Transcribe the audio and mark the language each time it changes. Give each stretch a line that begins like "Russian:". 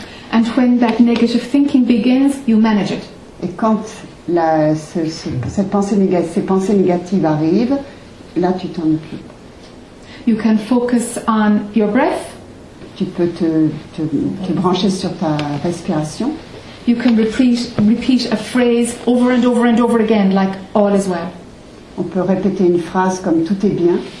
English: And when that negative thinking begins, you manage it.
French: Et quand ces pensées négatives arrivent, là tu t'en occupes.
English: You can focus on your breath.
French: Tu peux te brancher sur ta respiration.
English: You can repeat a phrase over and over and over again, like all is well.
French: On peut répéter une phrase comme tout est bien.